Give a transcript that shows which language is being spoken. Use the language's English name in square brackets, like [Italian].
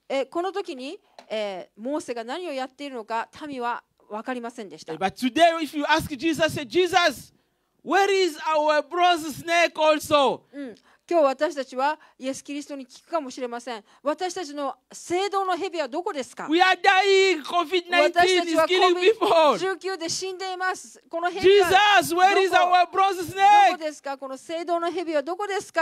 [Japanese] この時に、モーセが何をやっているのか民は分かりませんでした。 [English] But today, if you ask Jesus, say, Jesus, where is our bronze snake also? [Japanese] 今日私たちはイエス・キリストに聞くかもしれません。私たちの聖堂の蛇はどこですか? [English] We are dying. COVID-19 is killing people. [Japanese] 19で死んでいます。この蛇は [English] Jesus, where is our bronze snake? [Japanese] どこですか? この聖堂の蛇はどこですか?